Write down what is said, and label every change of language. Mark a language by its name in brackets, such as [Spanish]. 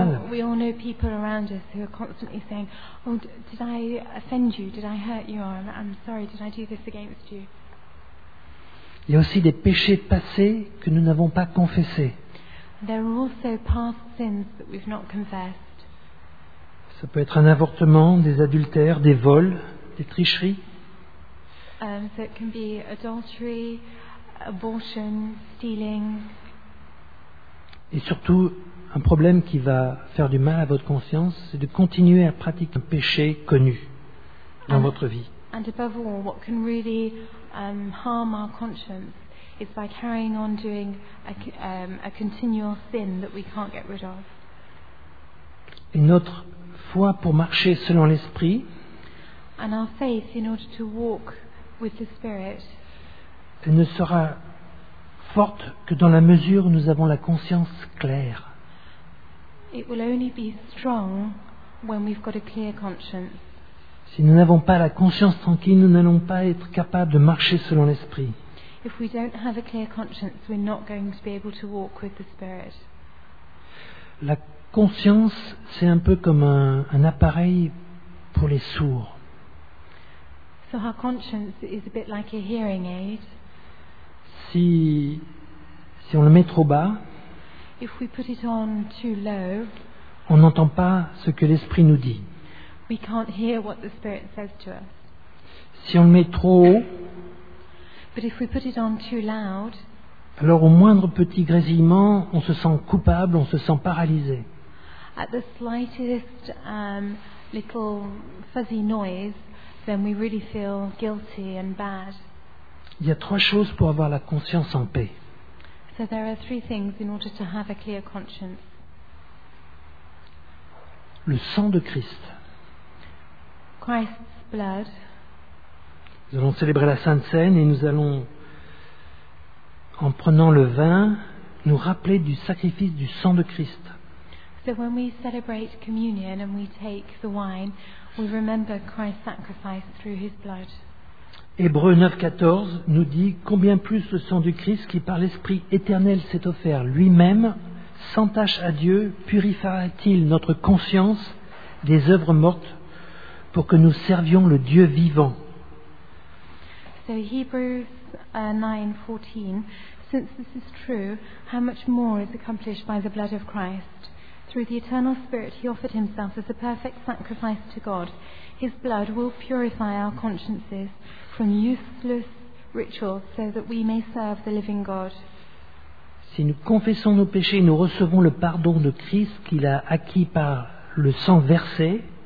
[English] We all know people around us who are constantly saying, "Oh, did I offend you? Did I hurt you? I'm sorry. Did I do this against you?" [French] Il y a aussi des péchés passés que nous n'avons pas confessés. [English] There are also past sins that we've not confessed. [French] Ça peut être un avortement, des adultères, des vols, des tricheries. [English] So it can be adultery, abortion, stealing. [French] Et surtout, un problème qui va faire du mal à votre conscience, c'est de continuer à pratiquer un péché connu dans votre vie. [English] And above all, what can really harm our conscience is by carrying on doing a continual sin that we can't get rid of. [French] Et notre foi pour marcher selon l'Esprit. [English] And our faith in order to walk with the Spirit. [French] Elle ne sera forte que dans la mesure où nous avons la conscience claire. [English] It will only be strong when we've got a clear conscience. [French] Si nous n'avons pas la conscience tranquille, nous n'allons pas être capables de marcher selon l'Esprit. [English] If we don't have a clear conscience, we're not going to be able to walk with the Spirit. [French] La conscience, c'est un peu comme un appareil pour les sourds. [English] So our conscience is a bit like a hearing aid. [French] Si on le met trop bas, [English] if we put it on too low, [French] on n'entend pas ce que l'Esprit nous dit. [English] We can't hear what the Spirit says to us. [French] Si on le met trop haut, [English] but if we put it on too loud, [French] alors au moindre petit grésillement, on se sent coupable, on se sent paralysé. [English] At the slightest little fuzzy noise, then we really feel guilty and bad. [French] Il y a trois choses pour avoir la conscience en paix. [English] So there are three things in order to have a clear conscience. [French] Le sang de Christ. [English] Christ's blood. [French] Nous allons célébrer la Sainte Cène et nous allons, en prenant le vin, nous rappeler du sacrifice du sang de Christ. [English] So when we celebrate communion and we take the wine, we remember Christ's sacrifice through his blood. [French] Hébreux 9,14 nous dit « Combien plus le sang du Christ qui par l'Esprit éternel s'est offert lui-même, sans tache à Dieu, purifiera-t-il notre conscience des œuvres mortes pour que nous servions le Dieu vivant ?» [English] So Hebrews 9:14, since this is true, how much more is accomplished by the blood of Christ? Through the eternal Spirit he offered himself as a perfect sacrifice to God. His blood will purify our consciences from useless rituals so that we may serve the living God. [French] Si nous confessons nos péchés, nous recevons le pardon de Christ qu'il a acquis par le sang versé.